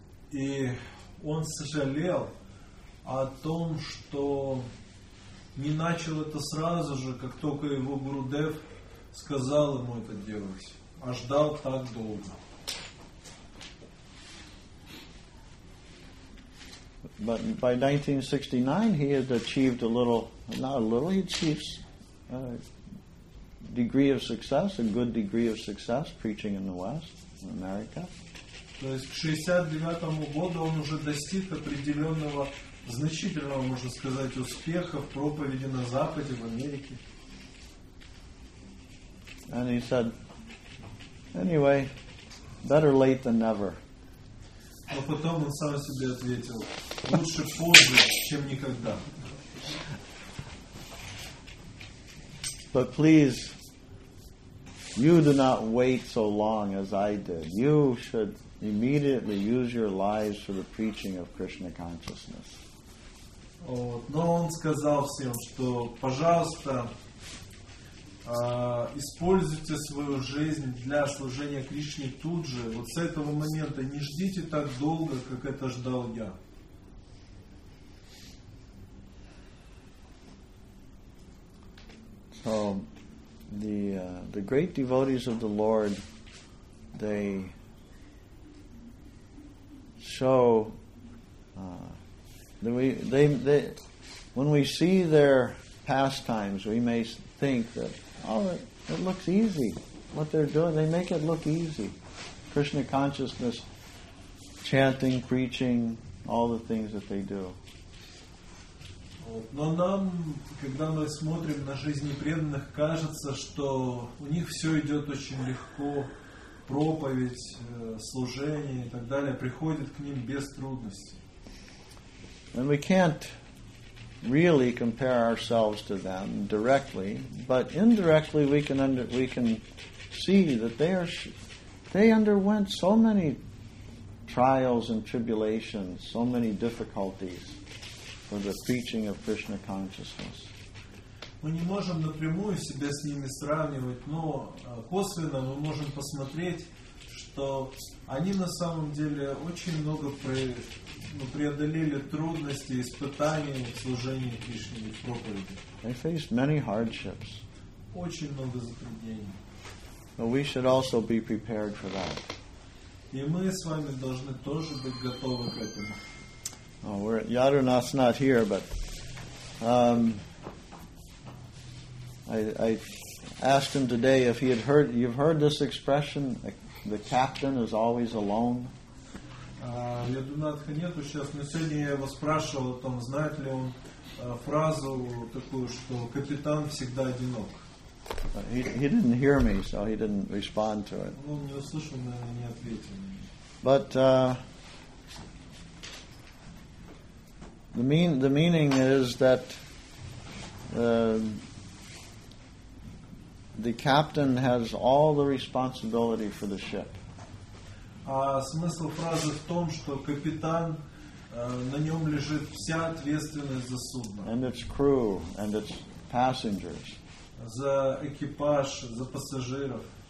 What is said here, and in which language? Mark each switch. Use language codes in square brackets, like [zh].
[ru] И он сожалел о том, что не начал это сразу же, как только его Гурудев сказал ему это делать, а ждал так долго. [en] But by 1969, he had achieved a little, not a little, he achieved a degree of success, a good degree of success, preaching in the West, in America. [ru] То есть к 69-му году он уже достиг определенного, значительного, можно сказать, успеха в проповеди на Западе, в Америке. [en] And he said, anyway, better late than never. [ru] Но потом он сам себе ответил, лучше позже, чем никогда. [en] But please, you do not wait so long as I did. You should immediately use your lives for the preaching of Krishna consciousness. [ru] Вот. Но он сказал всем, что, пожалуйста, используйте свою жизнь для служения Кришне тут же, вот с этого момента. Не ждите так долго, как это ждал я. [en] So, the great devotees of the Lord, they show that they when we see their pastimes, we may think that, oh, it looks easy. What they're doing, they make it look easy. Krishna consciousness, chanting, preaching, all the things that they do. [ru] Но нам, когда мы смотрим на жизни преданных, кажется, что у них все идет очень легко. Проповедь, служение и так далее приходит к ним без трудностей. [en] And we can't really compare ourselves to them directly, but indirectly we can see that they underwent so many trials and tribulations, so many difficulties for the preaching of Krishna consciousness. [ru] Мы не можем напрямую себя с ними сравнивать, но косвенно мы можем посмотреть, что они на самом деле очень много преодолели трудности, испытаний в служении Кришне и в проповеди. [en] They faced many hardships. [ru] Очень много затруднений. [en] But we should also be prepared for that. [ru] И мы с вами должны тоже быть готовы к этому. [en] Oh, we're at Yadunath's not here, but I asked him today if he had heard. You've heard this expression: the captain is always alone. [ru] Я думаю, что нет. Сейчас на сегодня я его спрашивал о том, знает ли он фразу такую, что капитан всегда одинок. [en] He didn't hear me, so he didn't respond to it. [ru] Он не услышал, наверное, не ответил. [en] But the meaning is that the captain has all the responsibility for the ship. [ru] А смысл фразы в том, что капитан, на нем лежит вся ответственность за судно. [en] And its crew and its passengers. [ru] За экипаж, за пассажиров.